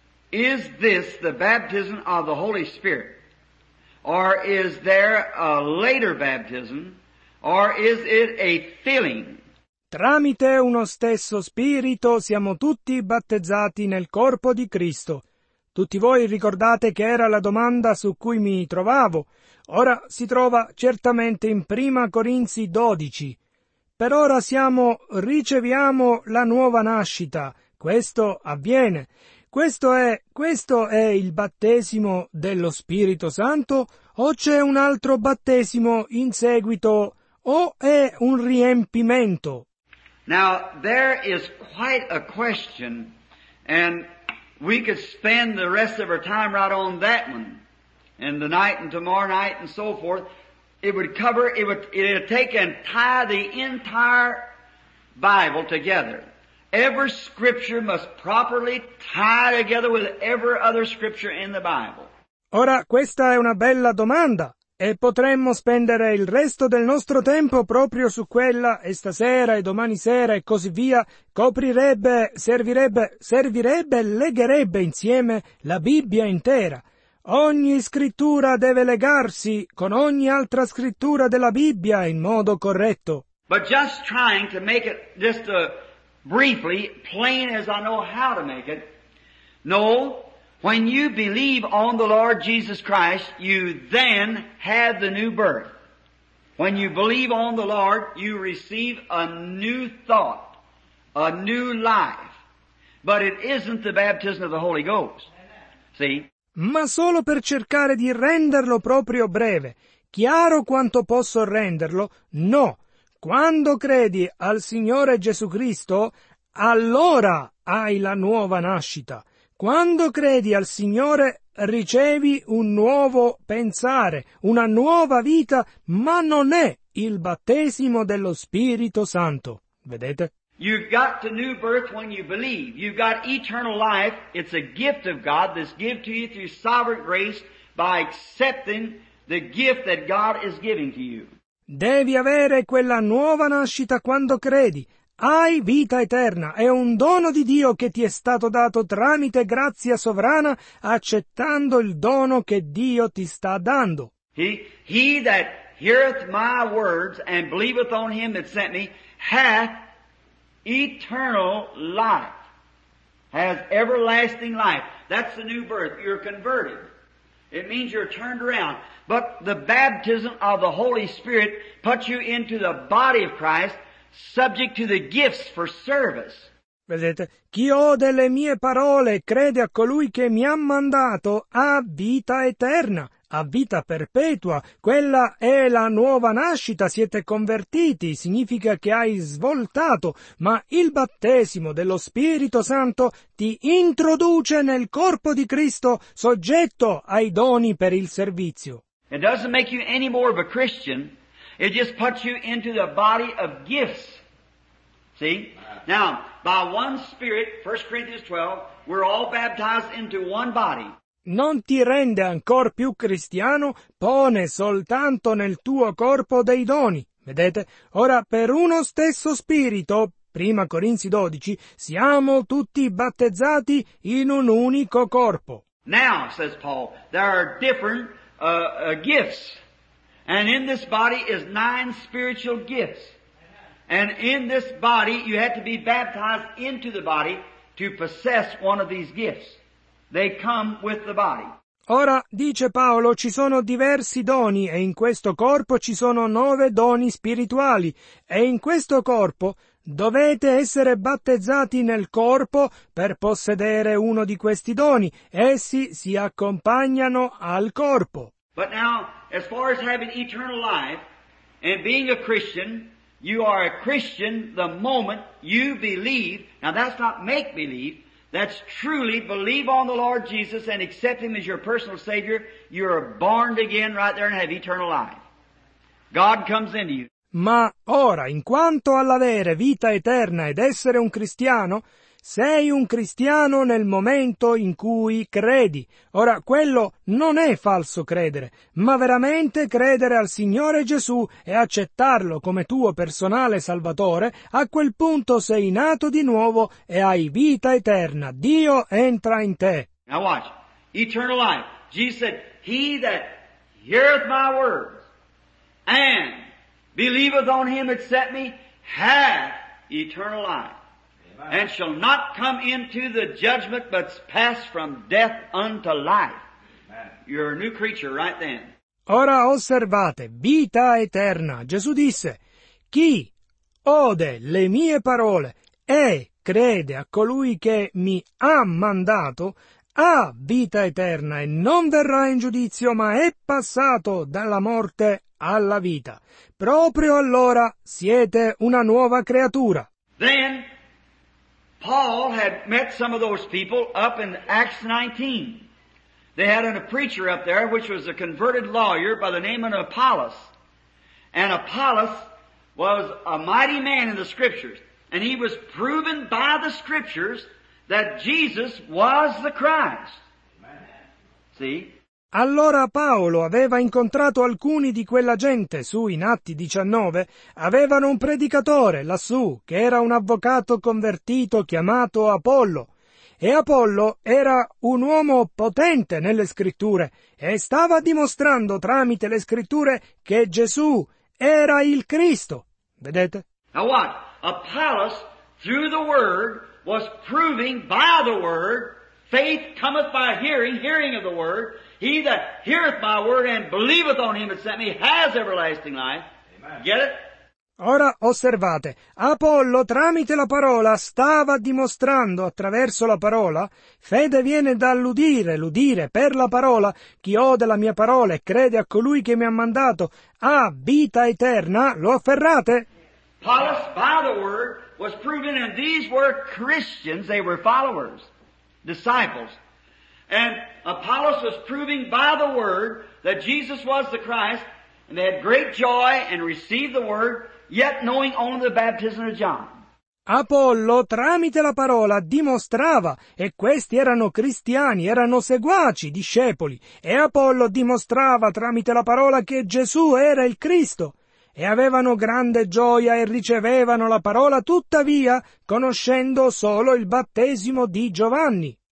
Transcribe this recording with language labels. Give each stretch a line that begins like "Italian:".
English: Is this the baptism of the Holy Spirit? Or is there a later baptism? Or is it a filling?
Italian: Tramite uno stesso spirito siamo tutti battezzati nel corpo di Cristo. Tutti voi ricordate che era la domanda su cui mi trovavo. Ora si trova certamente in 1 Corinzi 12. Per ora riceviamo la nuova nascita. Questo avviene. Questo è il battesimo dello Spirito Santo? O c'è un altro battesimo in seguito? O è un riempimento?
English: Now, there is quite a question, and we could spend the rest of our time right on that one, and tonight and tomorrow night and so forth. It would take and tie the entire Bible together. Every scripture must properly tie together with every other scripture in the Bible.
Italian: Ora, questa è una bella domanda. e potremmo spendere il resto del nostro tempo proprio su quella, e stasera, e domani sera, e così via, coprirebbe, servirebbe, legherebbe insieme la Bibbia intera. Ogni scrittura deve legarsi con ogni altra scrittura della Bibbia in modo corretto.
English: But just trying to make it just briefly, plain as I know how to make it. No, when you believe on the Lord Jesus Christ, you then have the new birth. When you believe on the Lord, you receive a new thought, a new life. But it isn't the baptism of the Holy Ghost. See?
Italian: Ma solo per cercare di renderlo proprio breve, chiaro quanto posso renderlo, no. Quando credi al Signore Gesù Cristo, allora hai la nuova nascita. Quando credi al Signore, ricevi un nuovo pensare, una nuova vita, ma non è il battesimo dello Spirito Santo. Vedete?
English: You've got the new birth when you believe. You've got eternal life. It's a gift of God that's given to you through sovereign grace by accepting the gift that God is giving to you.
Italian: Devi avere quella nuova nascita quando credi. Hai vita eterna. È un dono di Dio che ti è stato dato tramite grazia sovrana, accettando il dono che Dio ti sta dando.
English: He that heareth my words and believeth on him that sent me hath eternal life, has everlasting life. That's the new birth. You're converted. It means you're turned around. But the baptism of the Holy Spirit puts you into the body of Christ, subject to the gifts for service.
Italian: Vedete, chi ode le mie parole e crede a colui che mi ha mandato ha vita eterna, ha vita perpetua. Quella è la nuova nascita, siete convertiti, significa che hai svoltato, ma il battesimo dello Spirito Santo ti introduce nel corpo di Cristo, soggetto ai doni per il servizio.
English: It doesn't make you any more of a Christian, it just puts you into the body of gifts. See? Now, by one Spirit, 1 Corinthians 12, we're all baptized into one body.
Italian: Non ti rende ancor più cristiano, pone soltanto nel tuo corpo dei doni. Vedete? Ora, per uno stesso Spirito, 1 Corinzi 12, siamo tutti battezzati in un unico corpo.
English: Now, says Paul, there are different gifts. And in this body is 9 spiritual gifts. And in this body, you have to be baptized into the body to possess one of these gifts. They come with the body.
Italian: Ora, dice Paolo, ci sono diversi doni e in questo corpo ci sono 9 doni spirituali. E in questo corpo dovete essere battezzati nel corpo per possedere uno di questi doni. Essi si accompagnano al corpo.
English: But now, as far as having eternal life and being a Christian, you are a Christian the moment you believe. Now that's not make believe. That's truly believe on the Lord Jesus and accept Him as your personal Savior. You are born again right there and have eternal life. God comes into you.
Italian: Ma ora, in quanto all'avere vita eterna ed essere un cristiano, sei un cristiano nel momento in cui credi. Ora, quello non è falso credere, ma veramente credere al Signore Gesù e accettarlo come tuo personale salvatore, a quel punto sei nato di nuovo e hai vita eterna. Dio entra in te.
English: Now watch. Eternal life. Jesus said, he that heareth my words and believeth on him that sent me hath eternal life. And shall not come into the judgment, but pass from death unto life. You're a new creature right then.
Italian: Ora osservate, vita eterna. Gesù disse, chi ode le mie parole e crede a colui che mi ha mandato, ha vita eterna e non verrà in giudizio, ma è passato dalla morte alla vita. Proprio allora siete una nuova creatura.
English: Then, Paul had met some of those people up in Acts 19. They had a preacher up there, which was a converted lawyer by the name of Apollos. And Apollos was a mighty man in the Scriptures. And he was proven by the Scriptures that Jesus was the Christ. See?
Italian: Allora Paolo aveva incontrato alcuni di quella gente su in Atti 19, avevano un predicatore lassù che era un avvocato convertito chiamato Apollo. E Apollo era un uomo potente nelle scritture e stava dimostrando tramite le scritture che Gesù era il Cristo. Vedete?
English: Now what? Apollos, through the word, was proving by the word, faith cometh by hearing, hearing of the word. He that heareth my word and believeth on him that sent me has everlasting life. Amen. Get it?
Italian: Ora osservate, Apollo tramite la parola stava dimostrando attraverso la parola, fede viene dall'udire, l'udire per la parola, chi ode la mia parola e crede a colui che mi ha mandato ha vita eterna, lo afferrate?
English: Paulus, by the word, was proven, and these were Christians, they were followers, disciples. And Apollos was proving by the word that Jesus was the Christ, and they had great joy and received the word, yet knowing only the baptism of John.
Italian: Apollo, tramite la parola, dimostrava, e questi erano cristiani, erano seguaci, discepoli, e Apollo dimostrava tramite la parola che Gesù era il Cristo. E avevano grande gioia e ricevevano la parola, tuttavia, conoscendo solo il battesimo di Giovanni.